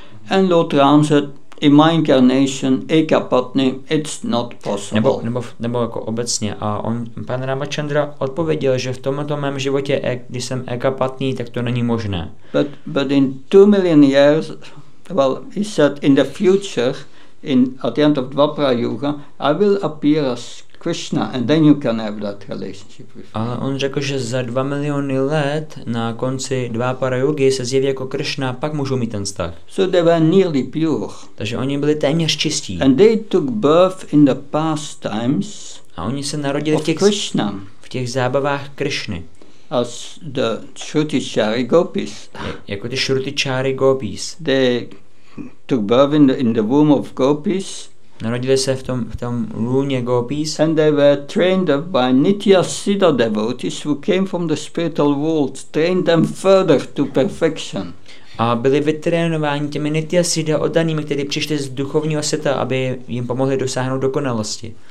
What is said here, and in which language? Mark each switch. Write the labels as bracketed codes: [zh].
[en] And Lord Ram said, in my incarnation, ekapatni, it's not possible. [cs] Nebo jako obecně. A on, pan Ramachandra, odpověděl, že v tomto mém životě, když jsem ekapatni, tak to není možné. [en] But in 2 million years, well, he said, in the future, at the end of Dvapara Yuga, I will appear as Krishna, and then you can have that relationship with me. [cs] Ale on řekl, že za 2 miliony let na konci Dvapara Yugy se zjeví jako Krishna, pak můžou mít ten vztah. [en] So they were nearly pure. [cs] Takže oni byli téměř čistí. [en] And they took birth in the past times. [cs] A oni se narodili [en] of Krishna. [cs] V těch zábavách Krishny. [en] As the Shrutichari gopis. [cs] Jako ty Shrutichari gopis. [en] They took birth in the womb of gopis. [cs] Narodili se v tom lůně gopis. [en] And they were trained up by Nitya Siddha devotees who came from the spiritual world, trained them further to perfection. [cs] A byli vytrénováni těmi Nitya Siddha oddanými, kteří přišli z duchovního světa, aby jim pomohli dosáhnout dokonalosti.